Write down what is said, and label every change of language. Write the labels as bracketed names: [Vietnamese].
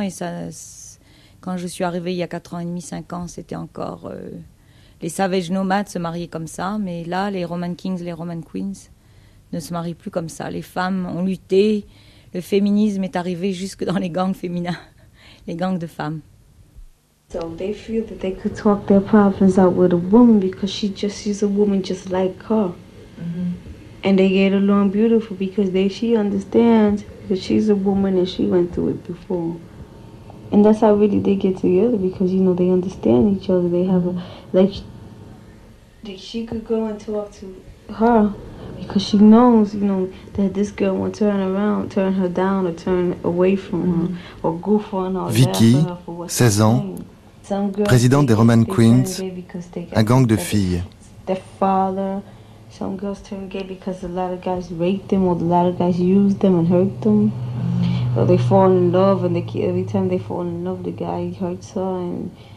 [French] Et ça, quand je suis arrivée il y a 4 ans et demi, 5 ans, c'était encore... les Savage Nomades se mariaient comme ça, mais là, les Roman Kings, les Roman Queens ne se marient plus comme ça. Les femmes ont lutté, le féminisme est arrivé jusque dans les gangs féminins, les gangs de femmes. [English] So they feel that they could talk their problems out with a woman because she just is a woman just like her. Mm-hmm. And they get along beautiful because she understands that she's a woman and she went through it before. And that's how really they get together because, you know, they understand each other. They have she could go and talk to her because she knows, you know, that this girl won't turn around, turn her down or turn away from her or goof on her. [French] Vicky, 16 ans, présidente des Roman Queens, un gang de filles. [English] Their father, some girls turn gay because a lot of guys rape them or a lot of guys use them and hurt them. So they fall in love and every time they fall in love, the guy hurts her and...